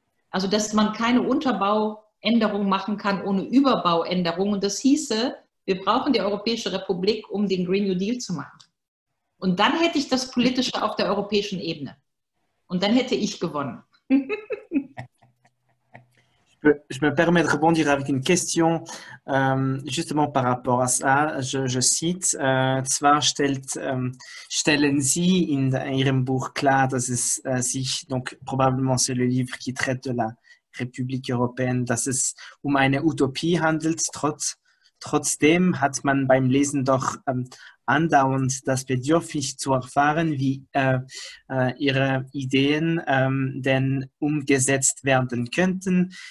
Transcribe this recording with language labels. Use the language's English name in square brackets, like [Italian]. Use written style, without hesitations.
[German] Also, dass man keine Unterbauänderung machen kann ohne Überbauänderung. Und das hieße, wir brauchen die Europäische Republik, um den Green New Deal zu machen. Und dann hätte ich das Politische auf der europäischen Ebene. Und dann hätte ich gewonnen. [French] Je me permets de rebondir avec une question justement par rapport à ça. Je cite, [German] zwar stellen Sie in Ihrem Buch klar, dass es sich, [French] donc probablement c'est le livre qui traite de la République européenne, [German] dass es um eine Utopie handelt. Trotzdem hat man beim Lesen doch andauernd das Bedürfnis zu erfahren, wie ihre Ideen denn umgesetzt werden könnten.